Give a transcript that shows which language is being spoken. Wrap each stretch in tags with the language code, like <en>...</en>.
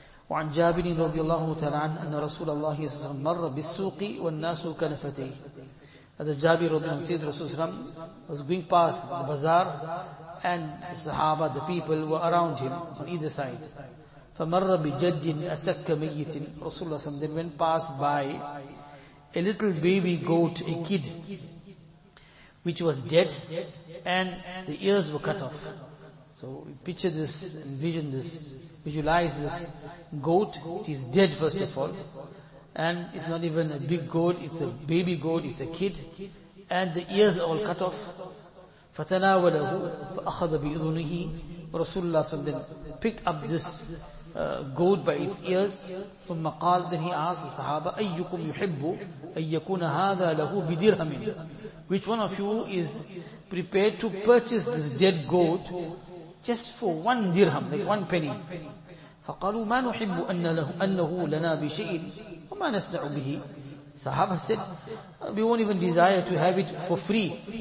<ar>وعن جابر رضي الله تعالى عنه أن رسول الله صلى الله عليه وسلم مر بالسوق والناس كنفتيه. هذا جابر رضي الله عنه سيد رسول الله</ar> <en>was going past the bazaar, and the Sahaba, the people were around him on either side.</en> <ar>فمر بجد أسك ميت. رسول الله صلى الله عليه وسلم</ar> <en>then went past by a little baby goat, a kid, which was dead and the ears were cut off. So picture this, envision this, visualize this goat. It is dead, first of all. And it's not even a big goat, it's a baby goat, it's a kid. And the ears are all cut off.</en> <ar>فَتَنَاوَلَهُ فَأَخَذَ بِإِذُنِهِ.</ar> <en>Rasulullah then picked up this goat by its ears.</en> <ar>ثُمَّ قَالَ.</ar> <en>Then he asked the Sahaba,</en> <ar>أَيُّكُمْ يُحِبُّ أَن يَكُونَ هَذَا لَهُ بِدِرْهَمٍ.</ar> <en>Which one of you is prepared to purchase this dead goat just for one dirham, like one penny?</en> <ar>فَقَالُوا مَا نُحِبُّ أَنَّهُ لَنَا بِشَيْءٍ وَمَا نَسْدَعُ بِهِ.</ar> <en>Sahaba said, we won't even desire to have it for free.</en>